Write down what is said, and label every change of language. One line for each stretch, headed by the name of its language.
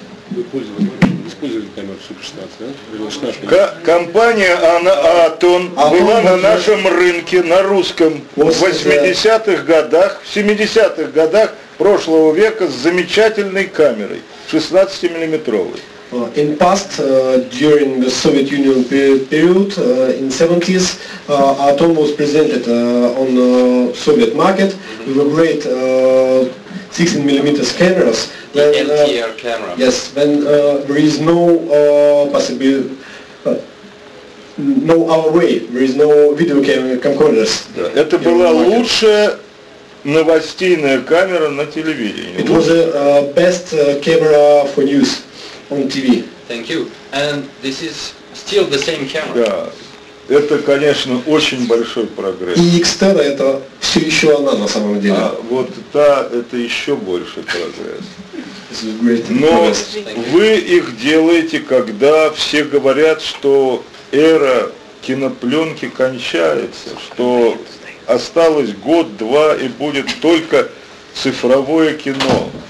Russian: Вы использовали камеру Super 16, да? Компания Аатон была на нашем рынке, на русском, в 80-х годах, в 70-х годах, прошлого века с замечательной камерой, 16-миллиметровой.
English: In past, during the Soviet Union period, in 70s, Aatom was presented on the Soviet market with a great 16-millimeter cameras. The LTR camera. Yes, when there is no possibility. No our way, there is no video camcorders. Yeah.
Russian: Это была лучшая новостейная камера на телевидении.
English: It was the best camera for news on TV. Thank you. And this is still the same camera.
Russian: Да. Это, конечно, очень большой прогресс. И XTR это все еще она на самом деле. А вот та это еще больше прогресс.
English: This is great.
Russian: Но вы их делаете, когда все говорят, что эра кинопленки кончается, что осталось год-два и будет только цифровое кино.